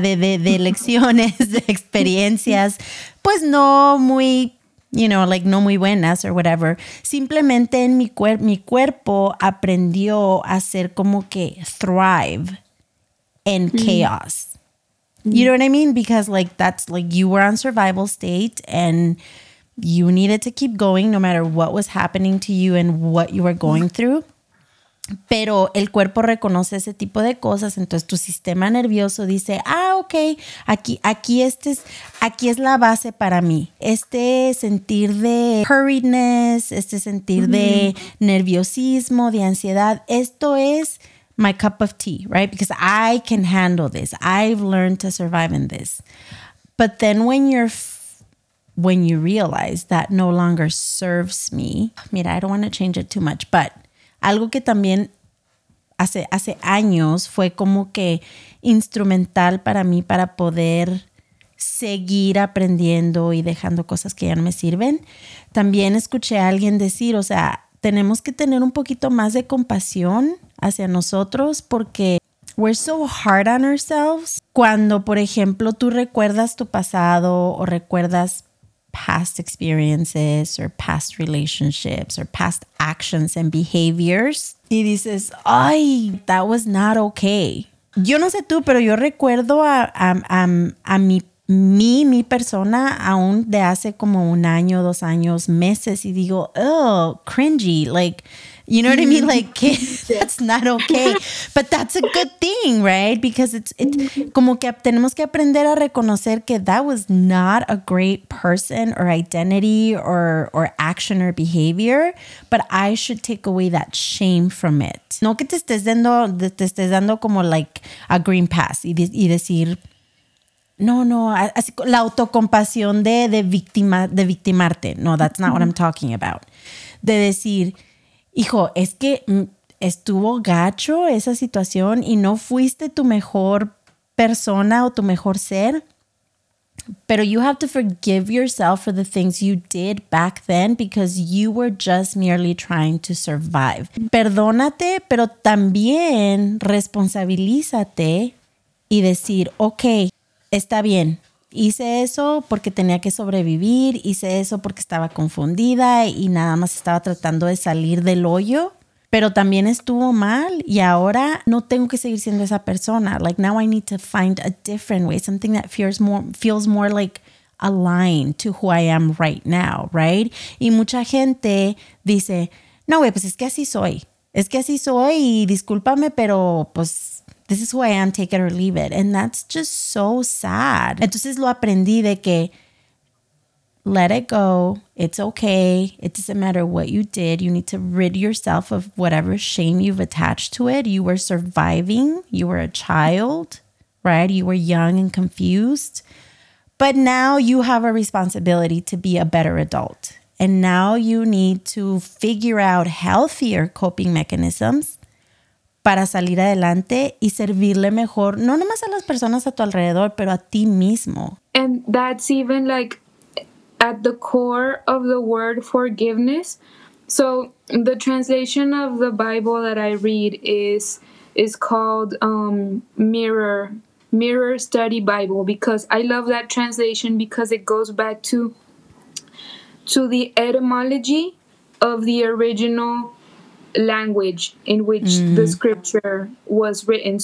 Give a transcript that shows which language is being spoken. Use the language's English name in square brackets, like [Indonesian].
[Spanish] De lecciones, de experiencias, pues no muy, [English] you know, like, [Spanish] no muy buenas [English] or whatever. [Spanish] Simplemente en mi cuerpo aprendió a ser como que [English] thrive in chaos. You know what I mean? Because, like, that's, like, you were on survival state and you needed to keep going no matter what was happening to you and what you were going through. [Spanish] Pero el cuerpo reconoce ese tipo de cosas, entonces tu sistema nervioso dice, ah, ok, aquí es la base para mí. Este sentir de hurriedness, este sentir de nerviosismo, de ansiedad, esto es [English] my cup of tea, right? Because I can handle this. I've learned to survive in this. But then when you realize that no longer serves me, [Spanish] mira, [English] I don't want to change it too much, but [Spanish] algo que también hace años fue como que instrumental para mí para poder seguir aprendiendo y dejando cosas que ya no me sirven. También escuché a alguien decir, o sea, tenemos que tener un poquito más de compasión hacia nosotros porque [English] we're so hard on ourselves. [Spanish] Cuando, por ejemplo, tú recuerdas tu pasado o recuerdas [English] past experiences or past relationships or past actions and behaviors [Spanish] y dices, ay, [English] that was not okay. [Spanish] Yo no sé tú, pero yo recuerdo a mi persona aún de hace como un año, dos años, meses y digo, [English] oh, cringy, like, you know what I mean? Like, that's not okay. But that's a good thing, right? Because it's [Spanish] como que tenemos que aprender a reconocer que [English] that was not a great person or identity or action or behavior. But I should take away that shame from it. [Spanish] No que te estés dando como [English] like a green pass [Spanish] y decir, no, así, la autocompasión de victimarte. [English] No, that's not what I'm talking about. [Spanish] De decir, hijo, es que estuvo gacho esa situación y no fuiste tu mejor persona o tu mejor ser. [English] Pero you have to forgive yourself for the things you did back then because you were just merely trying to survive. [Spanish] Perdónate, pero también responsabilízate y decir, ok, está bien. Hice eso porque tenía que sobrevivir, hice eso porque estaba confundida y nada más estaba tratando de salir del hoyo, pero también estuvo mal y ahora no tengo que seguir siendo esa persona. [English] Like, now I need to find a different way, something that feels more like aligned to who I am right now, right? [Spanish] Y mucha gente dice, no, güey, pues es que así soy y discúlpame, pero pues, [English] this is who I am, take it or leave it. And that's just so sad. [Spanish] Entonces lo aprendí de que [English] let it go. It's okay. It doesn't matter what you did. You need to rid yourself of whatever shame you've attached to it. You were surviving. You were a child, right? You were young and confused. But now you have a responsibility to be a better adult. And now you need to figure out healthier coping mechanisms [Spanish] para salir adelante y servirle mejor, no nomás a las personas a tu alrededor, pero a ti mismo. [English] And that's even like at the core of the word forgiveness. So the translation of the Bible that I read is called Mirror Study Bible, because I love that translation because it goes back to the etymology of the original language in which the scripture was written.